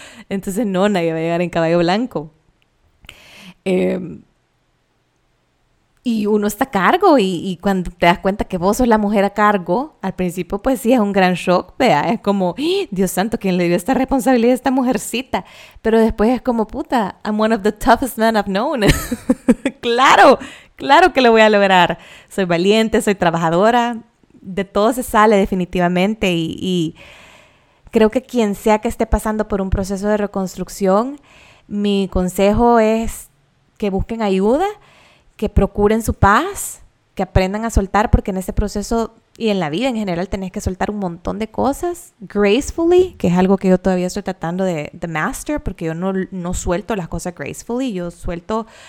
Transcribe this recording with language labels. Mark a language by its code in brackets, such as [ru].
[es] Entonces no, nadie va a llegar en caballo blanco. Y uno está a cargo y cuando te das cuenta que vos sos la mujer a cargo, al principio pues sí es un gran shock, vea, es como, Dios santo, ¿quién le dio esta responsabilidad a esta mujercita? Pero después es como, puta, [en] I'm one of the toughest men I've known. [es] ¡Claro! ¡Claro que lo voy a lograr! Soy valiente, soy trabajadora, de todo se sale definitivamente y creo que quien sea que esté pasando por un proceso de reconstrucción, mi consejo es que busquen ayuda, que procuren su paz, que aprendan a soltar, porque en ese proceso y en la vida en general tenés que soltar un montón de cosas gracefully, que es algo que yo todavía estoy tratando de master, porque yo no suelto las cosas gracefully, yo suelto